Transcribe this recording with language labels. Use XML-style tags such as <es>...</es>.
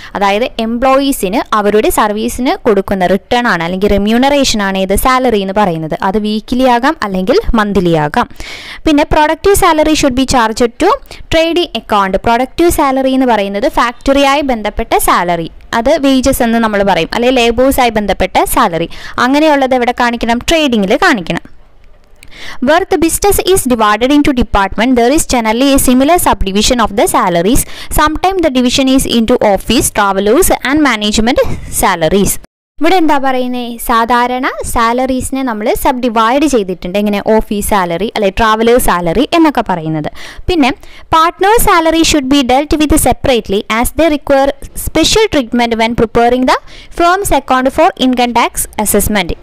<ml>അതായത് എംപ്ലോയീസിന് അവരുടെ സർവീസിന് കൊടുക്കുന്ന റിട്ടേൺ ആണ് അല്ലെങ്കിൽ റെമ്യൂണറേഷൻ ആണ് ഇത് സാലറി എന്ന് പറയുന്നത്. അത് വീക്കിലി ആകാം അല്ലെങ്കിൽ മന്ത്ലി ആകാം. പിന്നെ</ml> <en>Productive salary should be charge to trading account.</en> <ml>Productive salary എന്ന് പറയുന്നത് ഫാക്ടറിയായി ബന്ധപ്പെട്ട സാലറി, അത് വേജസ് എന്ന് നമ്മൾ പറയും, അല്ലെങ്കിൽ ലേബേഴ്സായി ബന്ധപ്പെട്ട സാലറി. അങ്ങനെയുള്ളത് എവിടെ കാണിക്കണം? ട്രേഡിങ്ങിൽ കാണിക്കണം.</ml> <en>Where the business is divided into department, there is generally a similar subdivision of the salaries. Sometimes the division is into office, travelers and management salaries.</en> <ml>ഇവിടെ എന്താ പറയുന്നത്? സാധാരണ സാലറീസിനെ നമ്മൾ സബ് ഡിവൈഡ് ചെയ്തിട്ടുണ്ട്. എങ്ങനെ? ഓഫീസ് സാലറി അല്ലെ ട്രാവലേഴ്സ് സാലറി എന്നൊക്കെ പറയുന്നത്. പിന്നെ</ml> <en>Partners salary should be dealt with separately as the require special treatment when preparing the firm's account for income tax assessment.</en>